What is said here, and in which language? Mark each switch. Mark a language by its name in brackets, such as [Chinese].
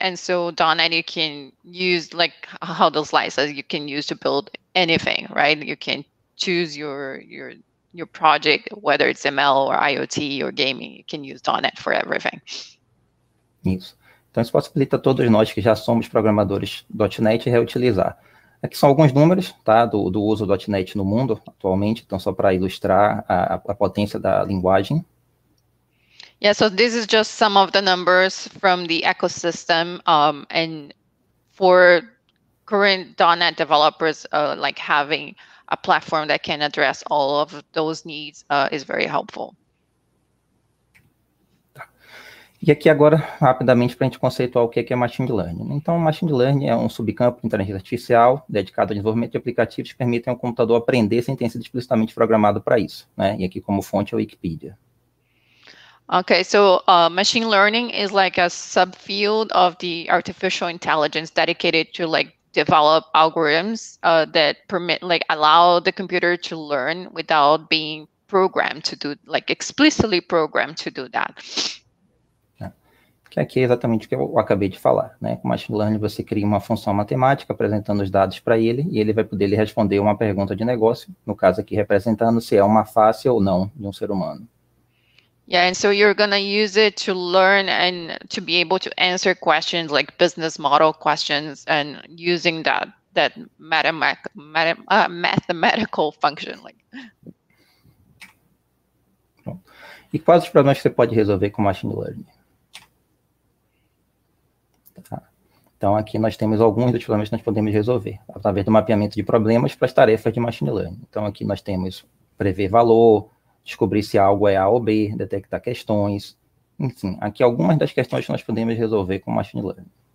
[English] And so .NET you can use like how those slices you can use to build anything, right? You can choose your project, whether it's ML or IoT or gaming, you can use .NET for everything. [Portuguese] Isso. Então isso possibilita a todos nós que já somos programadores .NET reutilizar. Aqui são alguns números, tá, do uso do .NET no mundo atualmente, então só para ilustrar a potência da linguagem. [English] Yeah, so this is just some of the numbers from the ecosystem, and for current .NET developers, like having a platform that can address all of those needs is very helpful. [Portuguese] E aqui agora, rapidamente, para a gente conceituar o que é Machine Learning. Então, Machine Learning é um subcampo de inteligência artificial dedicado ao desenvolvimento de aplicativos que permitem ao computador aprender sem ter sido explicitamente programado para isso, né? E aqui como fonte é a Wikipedia. [English] Okay, so Machine Learning is like a subfield of the artificial intelligence dedicated to like develop algorithms that permit, like allow the computer to learn without being programmed to do, like explicitly programmed to do that. [Portuguese] Que aqui é exatamente o que eu acabei de falar, né? Com Machine Learning, você cria uma função matemática apresentando os dados para ele, e ele vai poder lhe responder uma pergunta de negócio, no caso aqui representando se é uma face ou não de um ser humano. [English] Yeah, and so you're going to use it to learn and to be able to answer questions like business model questions and using that mathematical function. [Portuguese] E quais os problemas que você pode resolver com Machine Learning? Então, aqui nós temos alguns dos problemas que nós podemos resolver, através do mapeamento de problemas para as tarefas de Machine Learning. Então, aqui nós temos prever valor, descobrir se algo é A ou B, detectar questões, enfim, aqui algumas das questões que nós podemos resolver com Machine Learning.